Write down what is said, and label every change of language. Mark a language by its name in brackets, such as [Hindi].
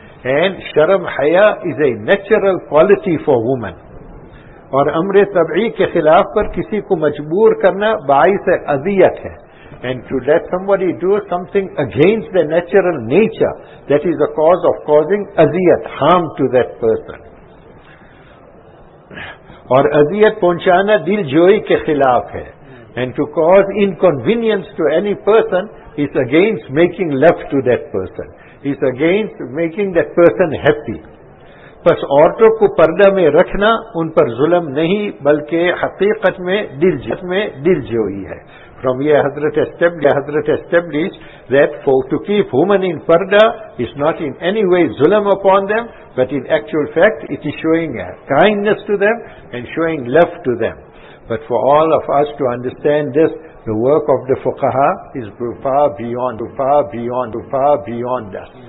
[English] And sharam haya is a natural quality for women. [Urdu] اور امر طبعی کے خلاف پر کسی کو مجبور کرنا باعث اذیت ہے. [English] And to let somebody do something against their natural nature, that is a cause of causing اذیت, harm to that person. [Urdu] اور اذیت پہنچانا دل جوئی کے خلاف ہے. [English] And to cause inconvenience to any person is against making love to that person. It's against making that person happy. [Urdu] بس عورتوں کو پردہ میں رکھنا ان پر ظلم نہیں بلکہ حقیقت میں دل جوئی ہے. [English] From here Hazrat established that to keep women in parda is not in any way zulm upon them, but in actual fact it is showing kindness to them and showing love to them. But for all of us to understand this, the work of the fuqaha is far beyond us.